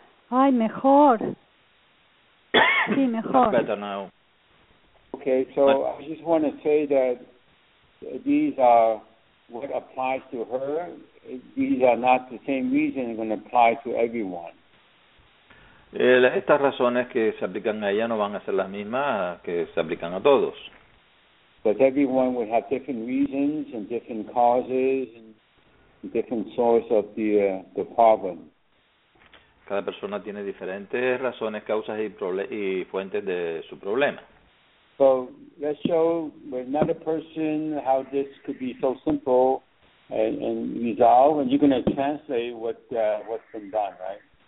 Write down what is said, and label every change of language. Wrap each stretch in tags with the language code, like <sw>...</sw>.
<es>Ay, mejor. Sí,</es> <en>Much</en> <es>mejor.</es> <en>better now. Okay, so I just want to say that these are what applies to her. These are not the same reasons going to apply to everyone.</en> <es>Estas razones que se aplican a ella no van a ser las mismas que se aplican a todos.</es> <en>But everyone would have different reasons and different causes and different source of the problem.</en> <es>Cada persona tiene diferentes razones, causas y fuentes de su problema.</es> <en>So let's show with another person how this could be so simple and resolve, and you're going to translate what's been done, right?</en>